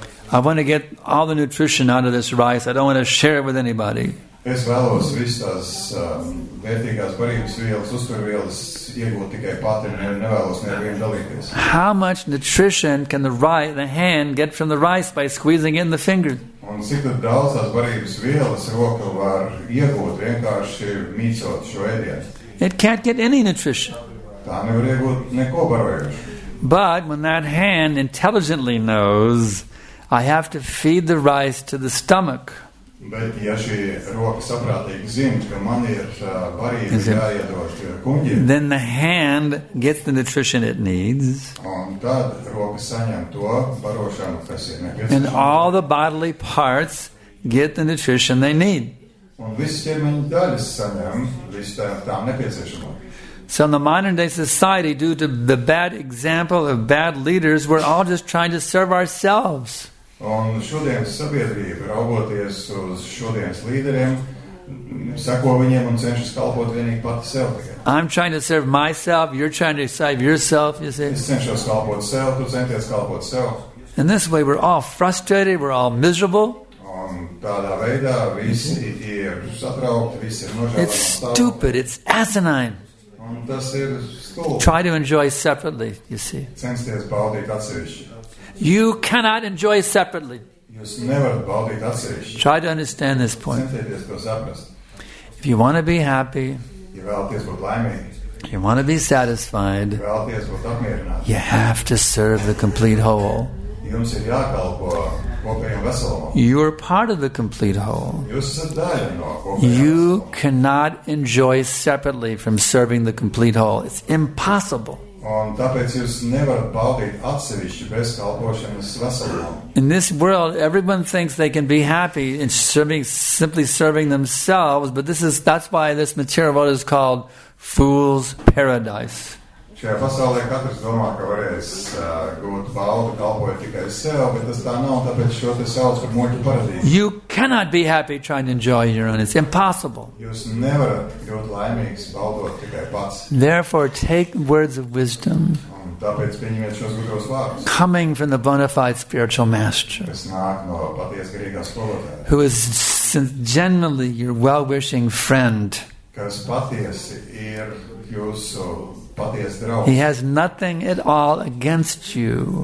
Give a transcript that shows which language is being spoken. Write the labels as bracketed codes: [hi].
[en] I want to get all the nutrition out of this rice. I don't want to share it with anybody. [lv] Es vēlos visas vērtīgās barības vielas, uzturvielas iegūt tikai pati, nevēlos nevien dalīties. [en] How much nutrition can the hand get from the rice by squeezing in the fingers? [lv] Un cik daudz tās barības vielas roka var iegūt vienkārši mīcot šo ēdienu? [en] It can't get any nutrition. [lv] Tā nevar iegūt neko barojuši. [en] But when that hand intelligently knows, I have to feed the rice to the stomach. [lv] Bet ja šī roka saprātīgi zin, ka man ir barība jāiedrož kuņģi, [en] then the hand gets the nutrition it needs. [lv] Un tad roka saņem to barošanu, kas ir nepieciešams. [en] And all the bodily parts get the nutrition they need. [lv] Un visas ķermeņa daļas saņem visu tām nepieciešamo. [en] So in the modern day society, due to the bad example of bad leaders, we're all just trying to serve ourselves. [lv] Un šodienas sabiedrība, raugoties uz šodienas līderiem, seko viņiem un cenšas kalpot vienīgi pati sev. [en] I'm trying to serve myself, you're trying to serve yourself, you see. [lv] Es cenšos kalpot sev, tu centies kalpot sev. [en] In this way, we're all frustrated, we're all miserable. [lv] Un tādā veidā visi ir satraukti, visi ir nožēlojami. [en] It's stupid, it's asinine. [lv] Un tas ir stulbi. [en] Try to enjoy separately, you see. [lv] Censties baudīt atsevišķi. [en] You cannot enjoy separately. [lv] Jūs nevarat baudīt atsevišķi. [en] Try to understand this point. [lv] Centieties to saprast. [en] If you want to be happy, [lv] ja vēlaties būt laimīgi, [en] if you want to be satisfied, [lv] ja vēlaties būt apmierināti, [en] you have to serve the complete whole. [lv] Jums ir jākalpo kopējam veselumam. [en] You are part of the complete whole. [lv] Jūs esat daļa no kopējam veselumam. [en] You cannot enjoy separately from serving the complete whole. It's impossible. [lv] Un tāpēc jūs nevarat baudīt atsevišķi bez kalpošanas veselumam. [en] In this world, everyone thinks they can be happy in serving, simply serving themselves, but that's why this material world is called fool's paradise. [lv] Šajā pasaulē katrs domā, ka varēs gūt baudu, kalpojot tikai sev, bet tas tā nav, tāpēc šo te sauc par muļķu paradīzi. [en] You cannot be happy trying to enjoy your own. It's impossible. [lv] Jūs nevarat būt laimīgs, baudot tikai pats. [en] Therefore, take words of wisdom. [lv] Un tāpēc pieņemiet šos gudros vārus. [en] Coming from the bona fide spiritual master. [lv] Kas nāk no paties garīgā skolotāja. [en] Who is generally your well-wishing friend. [lv] Kas patiesi ir jūsu... [en] He has nothing at all against you.